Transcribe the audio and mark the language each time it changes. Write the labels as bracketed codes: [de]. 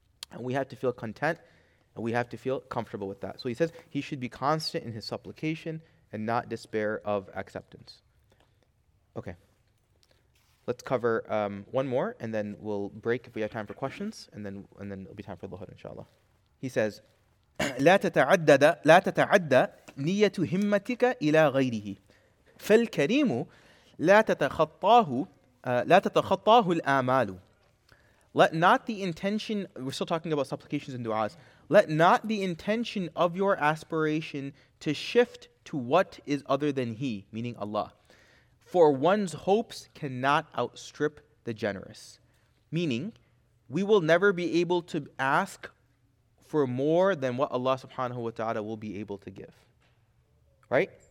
[en] And we have to feel content, and we have to feel comfortable with that. So he says he should be constant in his supplication and not despair of acceptance. Okay. Let's cover one more, and then we'll break if we have time for questions, and then it'll be time for Dhuhr, inshallah. He says, [ar] لا تتعدد نية همتك إلى غيره فالكريم لا تتخطاه الآمال. [en] Let not the intention, we're still talking about supplications and du'as, let not the intention of your aspiration to shift to what is other than he, meaning Allah. For one's hopes cannot outstrip the generous. Meaning, we will never be able to ask for more than what Allah subhanahu wa ta'ala will be able to give. Right?